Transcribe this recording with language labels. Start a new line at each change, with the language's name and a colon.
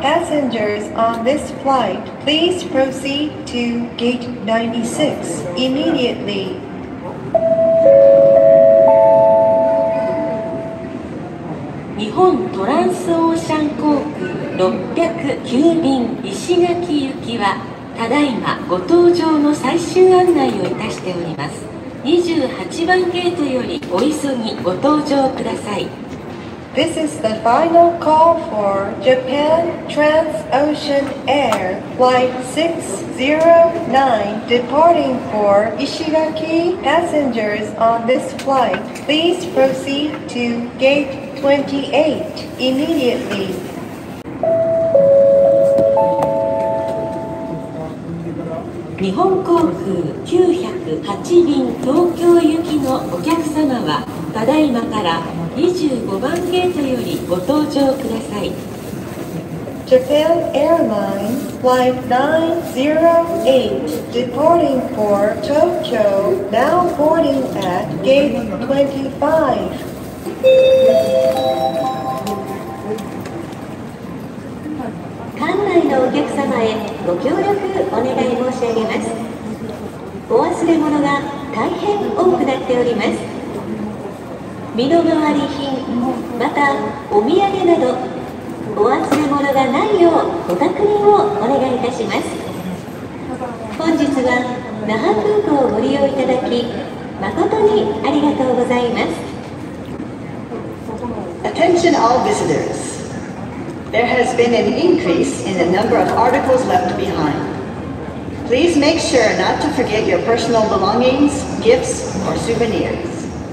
English: Passengers on this flight, please proceed to gate 96 immediately.
Japanese: 日本トランスオーシャン航空609便石垣行きはただいまご搭乗の最終案内をいたしております。 28番ゲートよりお急ぎご搭乗ください。
English: This is the final call for Japan Transocean Air Flight 609 departing for 石垣 Passengers on this flight please proceed to gate 28 immediately.
Japanese: 日本航空908便東京行きのお客様はただいまから25番ゲートよりご搭乗ください。
English: Japan Airlines Flight 908 departing for Tokyo now boarding at gate 25.
Japanese: 館内のお客様へご協力お願い申し上げます。お忘れ物が大変多くなっております。身の回り品またお土産などお忘れ物がないようご確認をお願いいたします。本日は那覇空港をご利用いただき誠にありがとうございます。
English: Attention all visitors. There has been an increase in the number of articles left behind. Please make sure not to forget your personal belongings, gifts, or souvenirs.